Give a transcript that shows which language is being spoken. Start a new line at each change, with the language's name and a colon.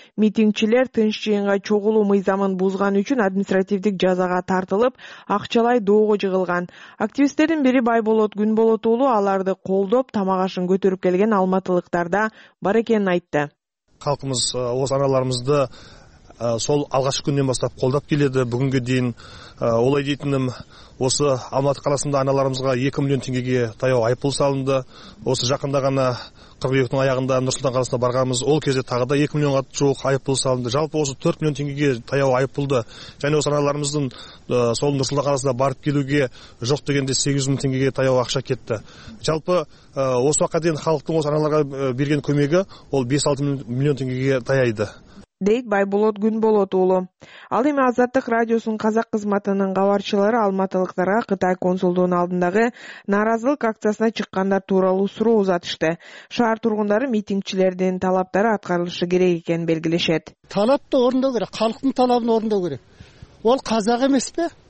Kyrgyz: Митингчилер тынч жыйынга чогулуу мыйзамын бузган үчүн административдик жазага тартылып, акчалай доого жыгылган. Активисттердин бири Байболот Күнболот уулу аларды колдоп тамак ашын көтөрүп келген алматылыктарда бар экенин айтты.
Kazakh: Халкыбыз ооз араларыбызды сол алгачкы күндөн баштап колдоп келеди. Бүгүнгө дейин олай дейтиним, осы Алматы қаласында аналарымызға 2 миллион теңгеге таяу айыппұл салынды. Осы жақында ғана қыркүйектің аяғында Нұр-Сұлтан қаласына барғанбыз. Ол кезде тағы да 2 миллионға жуық айыппұл салынды. Жалпы осы 4 миллион теңгеге таяу айыппұлды және осы аналарымыздың сол Нұр-Сұлтан қаласына барып келуге жоқ дегенде 800 мың теңгеге таяу ақша кетті. Жалпы осы уақытқа дейін халықтың осы аналарға берген көмегі ол 5-6 миллион теңгеге таяйды.
Kyrgyz: Дейт Байболот Күнболот уулу. Ал эми Азаттык радиосунун казак кызматынын кабарчылары алматылыктарга Кытай консулдугунун алдындагы нааразылык акциясына чыккандар тууралуу суроо узатышты. Шаар тургундары митингчилердин талаптары аткарылышы керек экенин белгилешет. Талапты орундоо керек, калктын талабын орундоо керек. Ал казак эмеспи?